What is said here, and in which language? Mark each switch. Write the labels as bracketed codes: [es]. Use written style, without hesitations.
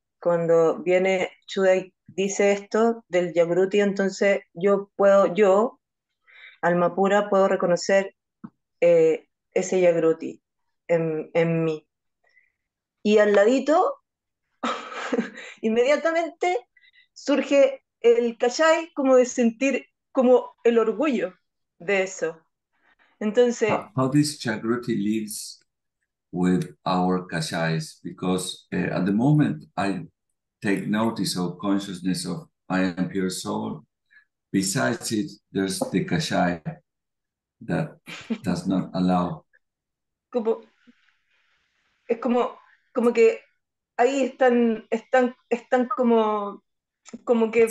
[es] Cuando viene Shuddha y dice esto del Jagruti, entonces yo, alma pura, puedo reconocer ese Jagruti en mí. Y al ladito, inmediatamente, surge el Kashai como de sentir como el orgullo de eso. Entonces, [en] how this Jagruti lives with our Kashais, because at the moment I take notice or consciousness of I am pure soul, Besides it, there's the kashaya that does not allow. [es] Como, es como, como que ahí están, están, están como, como que